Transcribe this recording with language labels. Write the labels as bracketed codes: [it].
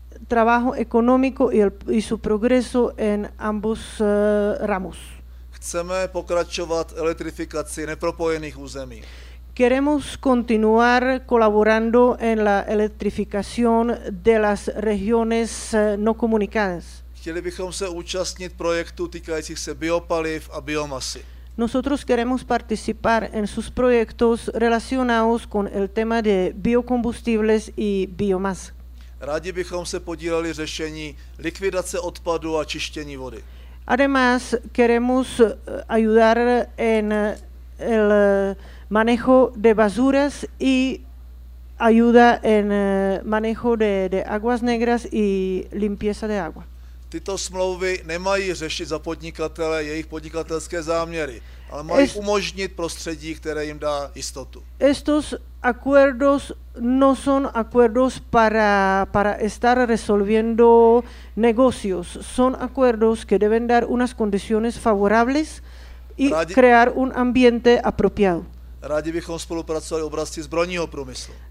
[es] trabajo económico y su progreso en ambos ramos. [cs] Chceme pokračovat elektrifikaci nepropojených území. [es] Queremos continuar colaborando en la electrificación de las regiones no comunicadas. [cs] Chtěli bychom se účastnit projektů týkajících se biopaliv a biomasy. [es] Nosotros queremos participar en sus proyectos relacionados con el tema de biocombustibles y biomas. [cs] Rádi bychom se podíleli řešení likvidace odpadu a čištění vody. [es] Además, queremos ayudar en el manejo de basuras y ayuda en manejo de aguas negras y limpieza de agua. [cs] Tyto smlouvy nemají řešit za podnikatele jejich podnikatelské záměry, ale mají umožnit prostředí, které jim dá jistotu. [es] Estos acuerdos no son acuerdos para estar resolviendo negocios, son acuerdos que deben dar unas condiciones favorables y crear un ambiente apropiado. [cs] Rádi bychom spolupracovali v oblasti zbrojního průmyslu.